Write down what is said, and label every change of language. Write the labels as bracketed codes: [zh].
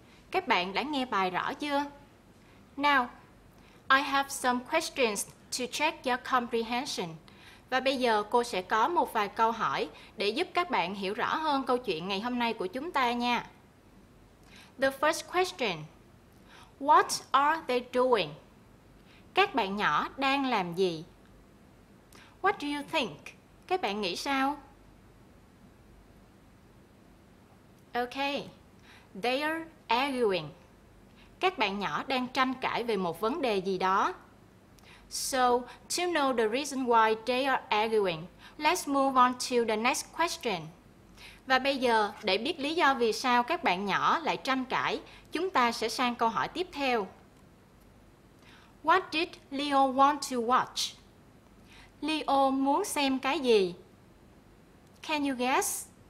[vi] Các bạn đã nghe bài rõ chưa? [en] Now, I have some questions to check your comprehension. [vi] Và bây giờ cô sẽ có một vài câu hỏi để giúp các bạn hiểu rõ hơn câu chuyện ngày hôm nay của chúng ta nha. [en] The first question. What are they doing? [vi] Các bạn nhỏ đang làm gì? [en] What do you think? [vi] Các bạn nghĩ sao? [en] Okay. They are arguing. [vi] Các bạn nhỏ đang tranh cãi về một vấn đề gì đó. [en] So, to know the reason why they are arguing, let's move on to the next question. [vi] Và bây giờ, để biết lý do vì sao các bạn nhỏ lại tranh cãi, chúng ta sẽ sang câu hỏi tiếp theo. [en] What did Leo want to watch? [vi] Leo muốn xem cái gì? [en] Can you guess?